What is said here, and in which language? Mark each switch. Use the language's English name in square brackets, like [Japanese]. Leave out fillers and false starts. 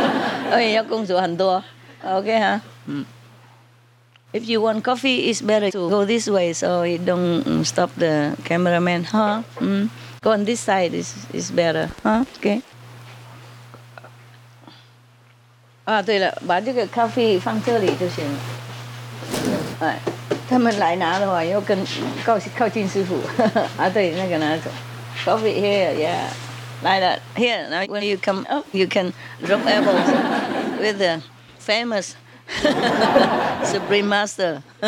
[Chinese] 我跟他们说，干杯了，等一下我们冲宵。哎呀，为什么拍手？我跟他们说，我是跟你们说。真的吗？我意思说，因为我们现在在这边吃喝玩乐，等一下上去要弥补过错，因为要工作很多。OK 哈。 [English] If you want coffee, it's better to go this way so it don't stop the cameraman, huh? Mm. Go on this side, it's better, huh? Okay. [Chinese] Ah, 对了，把这个咖啡放这里就行了。哎，他们来拿的话，要跟靠近师傅。啊，对，那个拿走。 [English] Coffee here, yeah. [Chinese] 来了, [English] here. Now when you come up, you can drop apples with the famous Supreme Master.